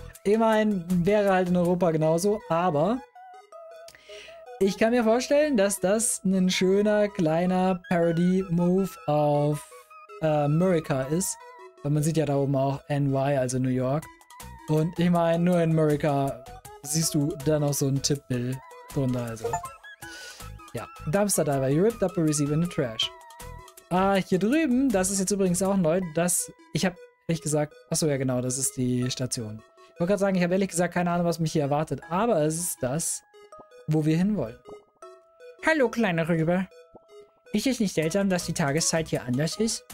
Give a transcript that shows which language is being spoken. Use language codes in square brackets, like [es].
[de] Immerhin wäre halt in Europa genauso, aber ich kann mir vorstellen, dass das ein schöner, kleiner Parody-Move auf America ist. Weil man sieht ja da oben auch NY, also New York. Und ich meine, nur in America siehst du dann auch so ein Tippbill drunter, also. [en] Ja, Dumpster Diver, you ripped up a receiver in the trash. [de] Hier drüben, das ist jetzt übrigens auch neu, das, ich habe ehrlich gesagt, achso, ja genau, das ist die Station. Ich wollte gerade sagen, ich habe ehrlich gesagt keine Ahnung, was mich hier erwartet, aber es ist das, wo wir hinwollen. Hallo, kleine Rübe. Ist es nicht seltsam, dass die Tageszeit hier anders ist?